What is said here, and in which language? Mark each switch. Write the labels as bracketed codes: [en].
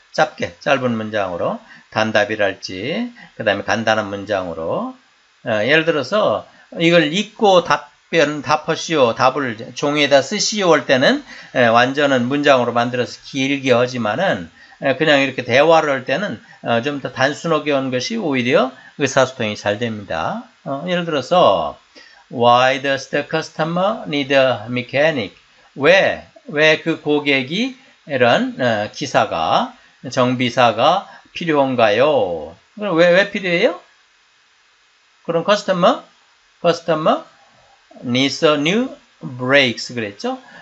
[ko] 짧게 짧은 문장으로 단답이랄지 그 다음에 간단한 문장으로 예를 들어서 이걸 읽고 답하시오 답을 종이에다 쓰시오 할 때는 완전한 문장으로 만들어서 길게 하지만은 그냥 이렇게 대화를 할 때는 좀 더 단순하게 하는 것이 오히려 의사소통이 잘 됩니다. 예를 들어서 [en] Why does the customer need a mechanic? [ko] 왜 그 고객이 이런 기사가 정비사가 필요한가요? 그럼 왜 필요해요? 그럼 [en] customer needs a new brakes [ko] 그랬죠?